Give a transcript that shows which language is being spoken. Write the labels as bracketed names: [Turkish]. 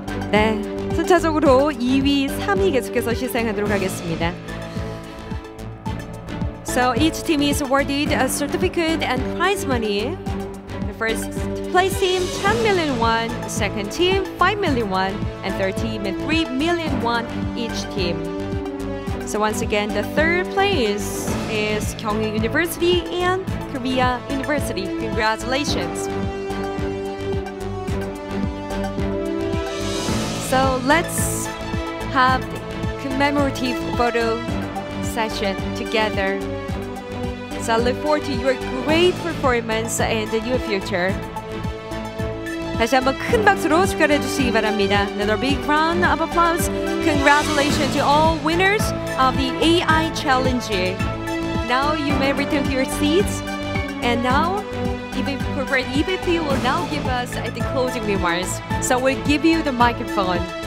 [Korean] 네, 순차적으로 2위, 3위 계속해서 시상하도록 하겠습니다. [English] So each team is awarded a certificate and prize money. The first place team, 10 million won. Second team, 5 million won. And third team, 3 million won each team. So once again, the third place is Kyunghyun University and Korea University. Congratulations. So let's have the commemorative photo session together. So I look forward to your great performance in the near future. [Korean] 다시 한번 큰 박수로 축하해 주시기 바랍니다. [English] Another big round of applause. Congratulations to all winners of the AI Challenge. Now you may return to your seats. And now, Corporate EVP will now give us the closing remarks. So we'll give you the microphone.